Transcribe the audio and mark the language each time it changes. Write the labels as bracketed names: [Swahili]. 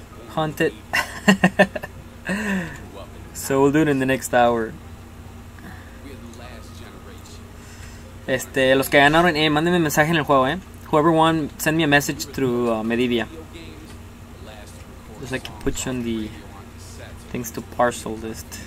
[English] Hunted. So we'll do it in the next hour. [Spanish] Los que ganaron, mándenme mensaje en el juego, Whoever won, send me a message through Medivia. [English] Just like put you on the things to parcel list.